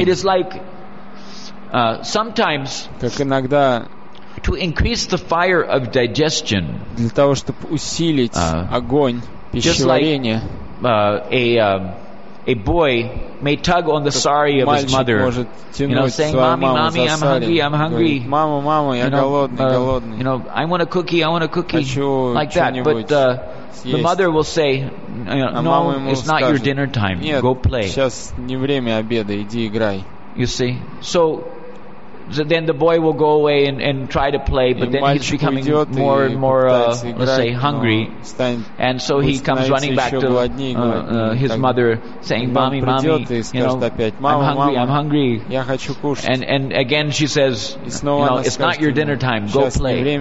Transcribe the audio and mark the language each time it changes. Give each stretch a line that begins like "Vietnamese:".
English: It is like sometimes to increase the fire of digestion,
Russian: для того чтобы усилить огонь пищеварения,
English: a boy may tug on the sari of his mother, you know, saying, "Mommy, mommy, I'm hungry, I'm hungry."
Russian: Мама, мама, я голодный, голодный.
English: You know, I want a cookie, I want a cookie, like that. But the mother will say, "No, it's not your dinner time. Go play."
Russian: Сейчас не время обеда, иди играй.
English: You see, so. So then the boy will go away and try to play, but then he's becoming more and more, let's say, hungry. And so he comes running back to his mother, saying, "Mommy, mommy, you know, I'm hungry. And again she says, you know, it's not your dinner time, go play.